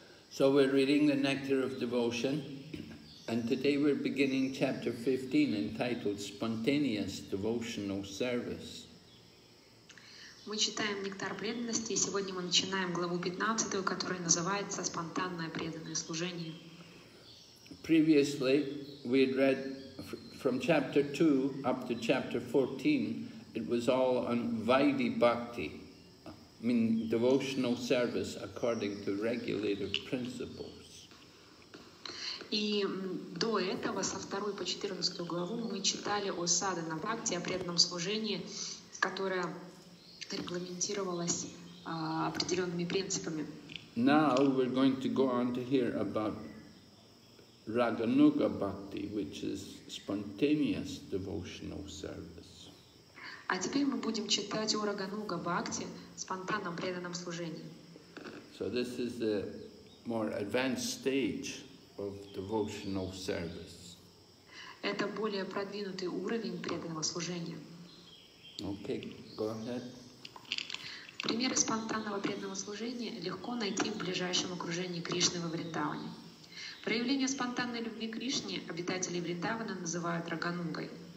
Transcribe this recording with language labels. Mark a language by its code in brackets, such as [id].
[en] So we're reading the Nectar of Devotion, and today we're beginning chapter 15 entitled Spontaneous Devotional Service. [ru] Мы читаем «Нектар преданности», и сегодня мы начинаем главу 15, которая называется «Спонтанное преданное служение». [en] Previously, we had read from chapter 2 up to chapter 14, it was all on Vaidhi Bhakti, meaning devotional service according to regulative principles. [ru] И до этого, со 2 по 14 главу, мы читали о Садхана Бхакти, о преданном служении, которое регламентировалась определенными принципами. [en] Now we're going to go on to hear about Raganuga Bhakti, which is spontaneous devotional service. [ru] А теперь мы будем читать о Рагануга Бхакти, спонтанном преданном служении. [en] So this is the more advanced stage of devotional service. [ru] Это более продвинутый уровень преданного служения. [en] Okay, go ahead. [ru] Примеры спонтанного преданного служения легко найти в ближайшем окружении Кришны во Вриндаване. Проявление спонтанной любви к Кришне обитатели Вриндавана называют Раганугой.